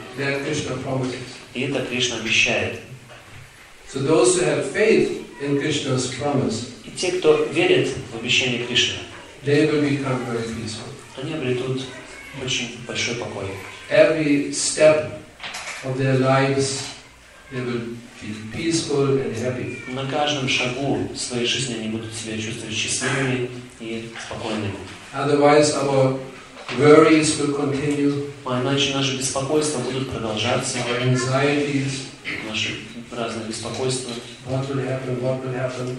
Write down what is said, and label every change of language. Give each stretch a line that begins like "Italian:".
Russian: И это Кришна обещает.
English: So those who have faith in Krishna's promise,
Russian: и те, кто верит в обещание Кришны,
English: they will become very peaceful.
Russian: Они обретут очень большой покой.
English: Every step of their lives, they will feel peaceful and happy.
Russian: На каждом шагу своей жизни они будут себя чувствовать счастливыми и спокойными.
English: Otherwise, our worries will continue.
Russian: А иначе наши беспокойства будут продолжаться.
English: Our anxieties.
Russian: Наши разные беспокойства.
English: What will happen? What will happen?